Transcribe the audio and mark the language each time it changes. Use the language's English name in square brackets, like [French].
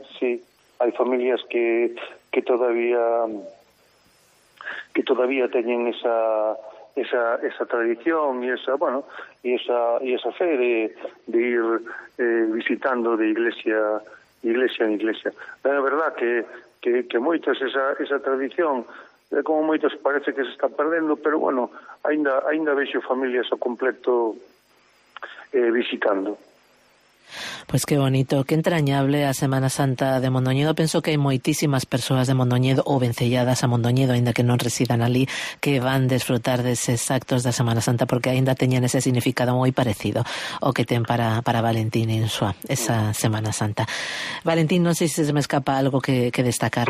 [Galician] Sí, hai familias que todavía teñen esa tradición e esa fe de ir visitando de iglesia en iglesia. É verdad que moitas esa tradición, como moitas parece que se está perdendo, pero bueno, ainda vexo familias ao completo visitando. [Spanish] Pues qué bonito, qué entrañable a Semana Santa de Mondoñedo. [Galician] Penso que hai moitísimas persoas de Mondoñedo ou vencelladas a Mondoñedo, aínda que non residan ali, que van desfrutar deses actos da Semana Santa, porque aínda teñen ese significado moi parecido o que ten para Valentín en súa esa Semana Santa. Valentín, non sei se me escapa algo que destacar.